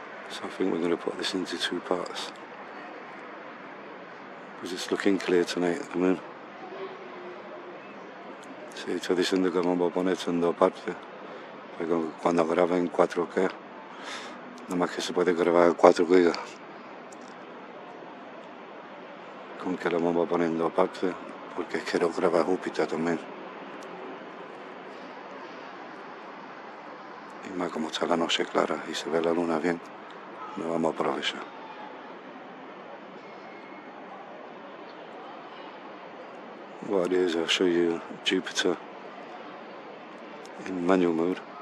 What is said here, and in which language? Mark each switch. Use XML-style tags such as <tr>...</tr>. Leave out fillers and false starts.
<en>So I think we're going to put this into two parts, because it's looking clear tonight at the moon.</en> <es>Sí, estoy diciendo que vamos a poner esto en dos partes. Porque cuando grabas en 4K, nada más que se puede grabar 4 gigas. Con que lo vamos a poner en dos partes, porque quiero grabar Júpiter también. Y más como está la noche clara y se ve la luna bien, nos vamos a aprovechar.</es> <en>What it is, I'll show you Jupiter in manual mode.</en>